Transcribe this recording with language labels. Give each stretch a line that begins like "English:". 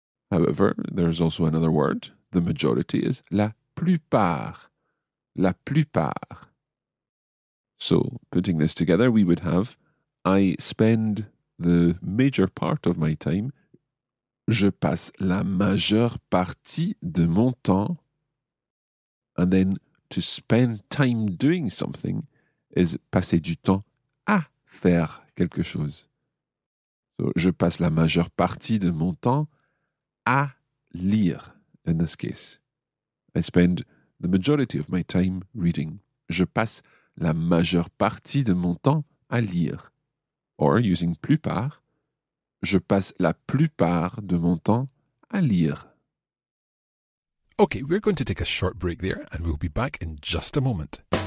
English: However, there's also another word. The majority is
French: la plupart. La plupart.
English: So putting this together, we would have I spend the major part of my time.
French: Je passe la majeure partie de mon temps.
English: And then to spend time doing something is
French: passer du temps à faire quelque chose. So je passe la majeure partie de mon temps à lire,
English: in this case. I spend the majority of my time reading.
French: Je passe la majeure partie de mon temps à lire.
English: Or, using
French: plupart, je passe la plupart de mon temps à lire.
English: Okay, we're going to take a short break there, and we'll be back in just a moment.